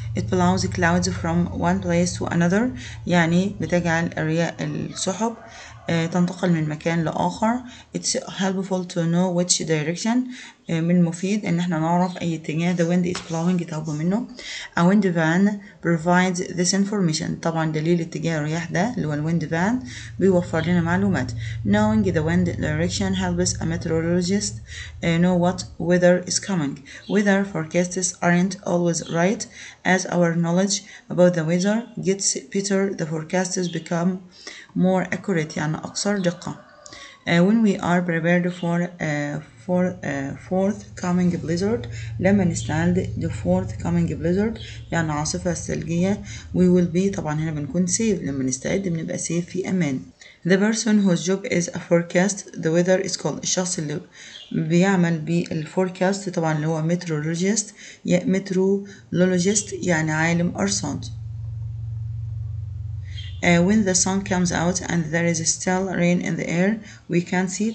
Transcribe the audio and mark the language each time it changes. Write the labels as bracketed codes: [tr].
[en] It blows clouds from one place to another يعني بتجعل الرياح السحب تنتقل من مكان لآخر. It's helpful to know which direction من مفيد ان احنا نعرف اي اتجاه the wind is blowing يتهب منه. A wind van provides this information طبعا دليل اتجاه الرياح ده اللي هو الwind van بيوفر لنا معلومات. Knowing the wind direction helps a meteorologist know what weather is coming. Weather forecasts aren't always right as our knowledge about the weather gets better the forecasts become more accurate يعني اكثر دقة. When we are prepared for fourth coming blizzard. [ar] لما نستعد the fourth coming blizzard يعني عاصفة ثلجية. [en] We will be طبعا هنا بنكون safe. [ar] لما نستعد بنبقى safe في أمان. [en] The person whose job is a forecast the weather is called. [ar] الشخص اللي بيعمل بالforecast طبعا اللي هو meteorologist meteorologist يعني عالم أرصاد. [en] When the sun comes out and there is still rain in the air, we can see.